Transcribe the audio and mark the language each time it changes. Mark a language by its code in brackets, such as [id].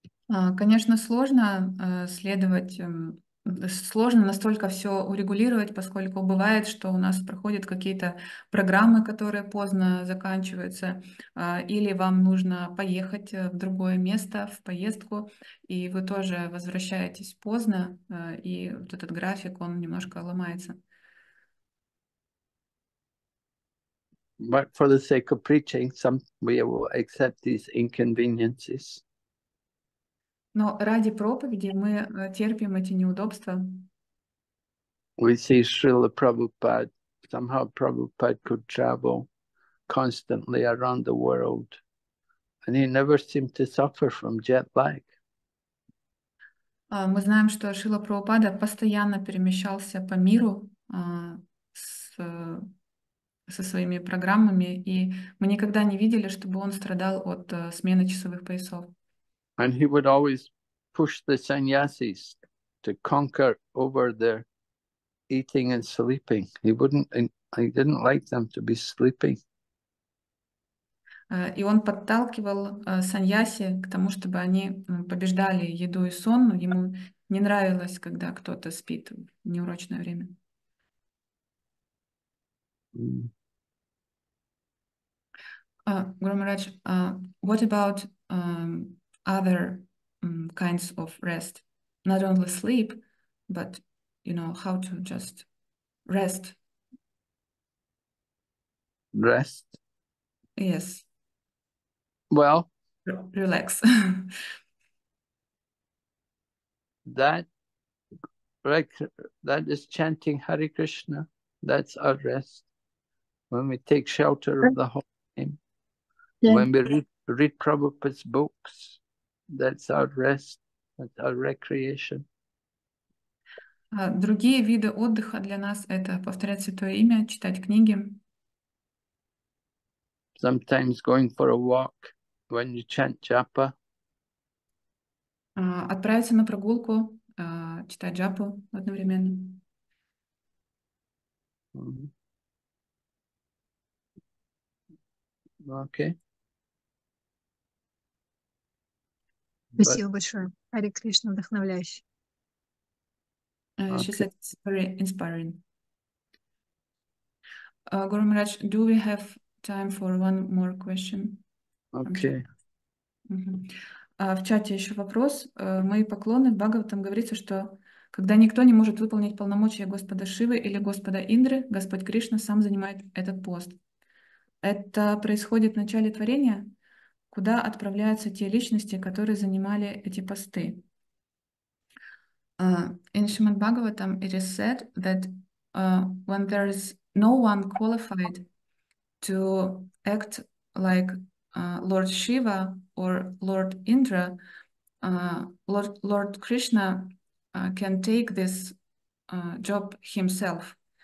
[ru] Конечно, сложно следовать, сложно настолько все урегулировать, поскольку бывает, что у нас проходят какие-то программы, которые поздно заканчиваются, или вам нужно поехать в другое место, в поездку, и вы тоже возвращаетесь поздно, и вот этот график, он немножко ломается. [en] But for the sake of preaching, we will accept these inconveniences. [ru] Но ради проповеди мы терпим эти неудобства. [en] We see Srila Prabhupada, somehow Prabhupada could travel constantly around the world, and he never seemed to suffer from jet lag. [ru] Мы знаем, что Шрила Прабхупада постоянно перемещался по миру со своими программами, и мы никогда не видели, чтобы он страдал от смены часовых поясов. [en] And he would always push the sannyasis to conquer over their eating and sleeping. He didn't like them to be sleeping. [ru] И он подталкивал саньяси к тому, чтобы они побеждали еду и сон. Ему не нравилось, когда кто-то спит в неурочное время. [en] Гуру Махарадж, what about other kinds of rest, not only sleep, but you know how to just rest. Rest. Yes. Well, relax. That is chanting Hare Krishna. That's our rest. When we take shelter of the Holy Name, yeah. When we read Prabhupada's books, that's our rest, that's our recreation. [ru] Другие виды отдыха для нас — это повторять Святое Имя, читать книги. [en] Sometimes going for a walk when you chant japa. [ru] Отправиться на прогулку, читать джапу одновременно. [en] Okay. [ru] Спасибо большое. Харе Кришна, вдохновляющий. [en] She said it's very inspiring. Guru Maharaj, do we have time for one more question? Okay. [ru] В чате еще вопрос. Мои поклоны. Бхагаватам говорится, что когда никто не может выполнить полномочия Господа Шивы или Господа Индры, Господь Кришна сам занимает этот пост. Это происходит в начале творения? Куда отправляются те личности, которые занимали эти посты? [en] In Srimad Bhagavatam, it is said that when there is no one qualified to act like Lord Shiva or Lord Indra, Lord Krishna can take this job himself.